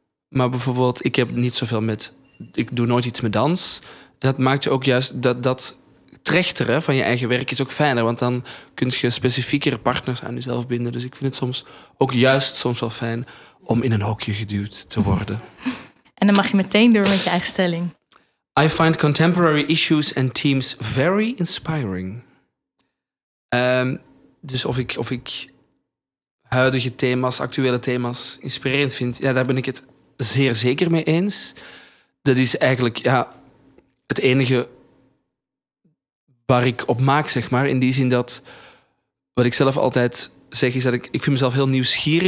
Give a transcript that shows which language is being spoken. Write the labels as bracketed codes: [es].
[nl] Maar bijvoorbeeld, ik heb niet zoveel met... Ik doe nooit iets met dans. En dat maakt je ook juist... Dat trechteren van je eigen werk is ook fijner, want dan kun je specifiekere partners aan jezelf binden. Dus ik vind het soms ook juist soms wel fijn om in een hokje geduwd te worden. En dan mag je meteen door met je eigen stelling. [en] I find contemporary issues and teams very inspiring. [nl] Dus of ik huidige thema's, actuele thema's inspirerend vind, ja, daar ben ik het zeer zeker mee eens. Dat is eigenlijk ja, het enige waar ik op maak, zeg maar. In die zin dat wat ik zelf altijd zeg is dat ik vind mezelf heel nieuwsgierig.